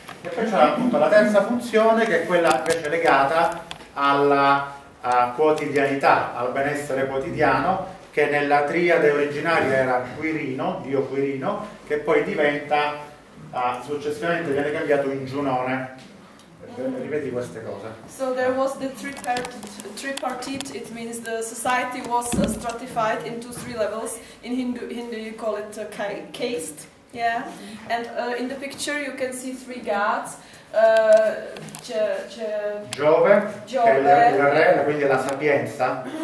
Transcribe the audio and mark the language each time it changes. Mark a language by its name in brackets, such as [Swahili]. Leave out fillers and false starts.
[Italian] E poi c'è appunto la terza funzione, che è quella invece legata alla quotidianità, al benessere quotidiano, che nella triade originaria era Quirino, dio Quirino, che poi diventa, successivamente viene cambiato in Giunone. Ripeti queste cose. [English] So there was the tripartite, it means the society was stratified into three levels. In Hindu you call it caste. Yeah, and in the picture you can see three gods. [Italian] Giove, che è il re, quindi la sapienza.